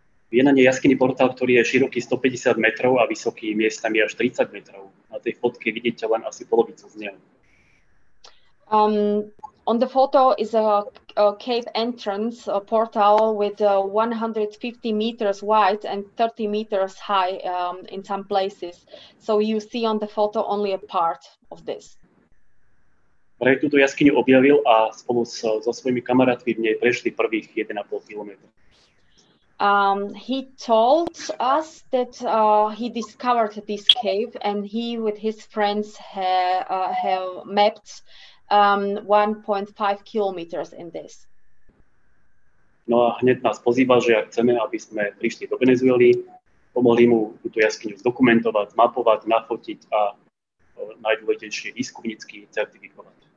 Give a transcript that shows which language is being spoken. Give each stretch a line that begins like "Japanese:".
Slovak: Je na nej jaskyný portál, ktorý je široký 150 metrov a vysoký miestami až 30 metrov. Na tej fotke vidíte len asi polovicu z neho.
English: On the photo is a cave entrance, a portal with 150 meters wide and 30 meters high in some places. So you see on the photo only a part of this.
Slovak: Práve túto jaskyňu objavil a spolu so svojimi kamarátmi v nej prešli prvých 1,5 kilometra.
English: He told us that he discovered this cave and he with his friends have mapped 1.5 kilometers in this.
Slovak: No a hneď nás pozýval, že ak chceme, aby sme prišli do Venezuely, pomohli mu túto jaskyňu zdokumentovať, mapovať, nafotiť a najdôležitejšie výskumnícky certifikovať.